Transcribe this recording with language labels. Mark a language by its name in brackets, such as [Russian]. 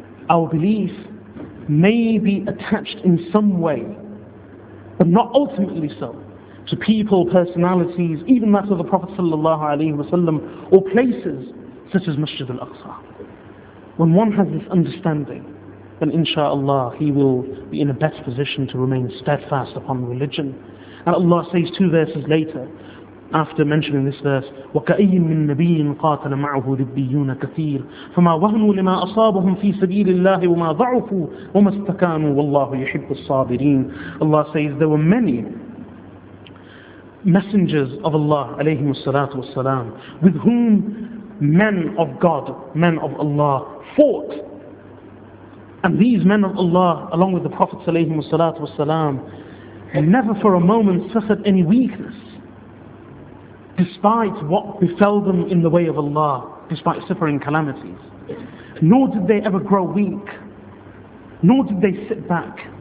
[English] Our belief may be attached in some way, but not ultimately so, to people, personalities, even that of the Prophet sallallahu alayhi wa sallam, or places such as Masjid al-Aqsa. When one has this understanding, then inshaAllah he will be in a better position to remain steadfast upon religion. [Arabic] And Allah says two verses later, after mentioning this verse, وَكَأَيِّن مِّن نَبِيٍ قَاتَلَ مَعْهُ رِبِّيُّونَ كَثِيرٌ فَمَا وَهْنُوا لِمَا أَصَابَهُمْ فِي سَبِيلِ اللَّهِ وَمَا ضَعُفُوا وَمَا اسْتَكَانُوا وَاللَّهُ يُحِبُّ الصَّابِرِينَ. [English] Allah says there were many messengers of Allah alayhi salatu wasalam with whom men of God, men of Allah fought, and these men of Allah along with the Prophet alayhi salatu wasalam never for a moment suffered any weakness despite what befell them in the way of Allah, despite suffering calamities, nor did they ever grow weak, nor did they sit back.